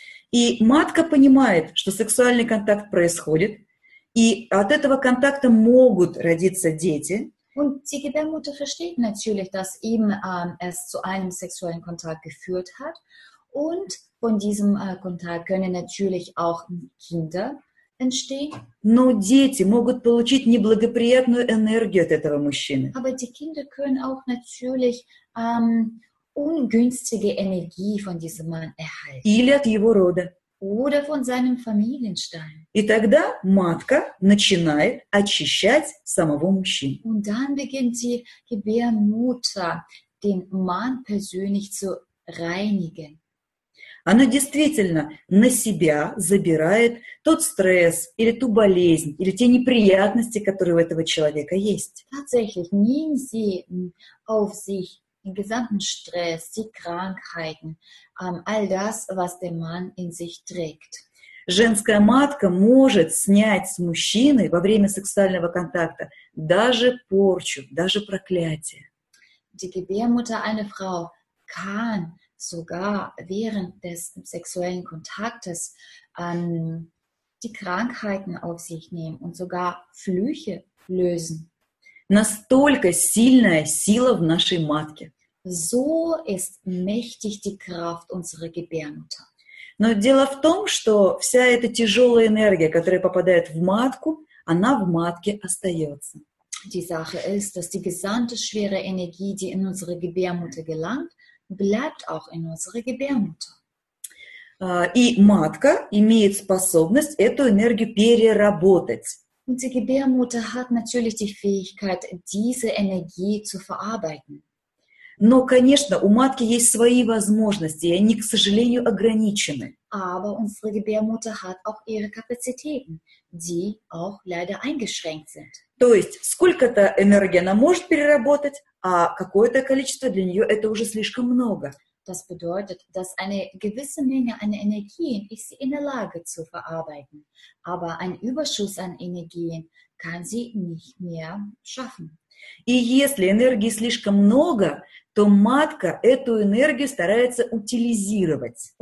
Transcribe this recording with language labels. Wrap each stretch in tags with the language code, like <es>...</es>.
<ru>И матка понимает, что сексуальный контакт происходит, и от этого контакта могут родиться дети.</ru> <de>Und die Gebärmutter versteht natürlich, dass ihm es zu einem sexuellen Kontakt geführt hat und von diesem Kontakt können natürlich auch Kinder entstehen.</de> <ru>Но дети могут получить неблагоприятную энергию от этого мужчины.</ru> <de>Aber die Kinder können auch natürlich ungünstige Energie von diesem Mann erhalten.</de> <ru>Или от его рода.</ru> <de>Oder von seinem Familienstein.</de> <ru>И тогда матка начинает очищать самого мужчину.</ru> <de>Und dann beginnt die Gebärmutter, den Mann persönlich zu reinigen.</de> <ru>Она действительно на себя забирает тот стресс или ту болезнь или те неприятности, которые у этого человека есть.</ru> <de>Tatsächlich nimmt sie auf sich den gesamten Stress, die Krankheiten, all das, was der Mann in sich trägt.</de> <ru>Женская матка может снять с мужчины во время сексуального контакта даже порчу, даже проклятие.</ru> <de>Die Gebärmutter einer Frau kann sogar während des sexuellen Kontaktes die Krankheiten auf sich nehmen und sogar Flüche lösen.</de> <ru>Настолько сильная сила в нашей матке.</ru> <de>So ist mächtig die Kraft unserer Gebärmutter.</de> <ru>Но дело в том, что вся эта тяжелая энергия, которая попадает в матку, она в матке остается.</ru> <de>Die Sache ist, dass die gesamte schwere Energie, die in unsere Gebärmutter gelangt, bleibt auch in unserer Gebärmutter.</de> <ru>И матка имеет способность эту энергию переработать.</ru> <de>Und die Gebärmutter hat natürlich die Fähigkeit, diese Energie zu verarbeiten.</de> <ru>Но, конечно, у матки есть свои возможности, и они, к сожалению, ограничены.</ru> <de>Aber unsere Gebärmutter hat auch ihre Kapazitäten, die auch leider eingeschränkt sind.</de> <ru>То есть, сколько-то энергии она может переработать, а какое-то количество для нее это уже слишком много.</ru> <de>Das bedeutet, dass eine gewisse Menge an Energien ist sie in der Lage zu verarbeiten, aber ein Überschuss an Energien kann sie nicht mehr schaffen.</de> <ru>И если энергии слишком много, то матка эту энергию старается утилизировать.</ru>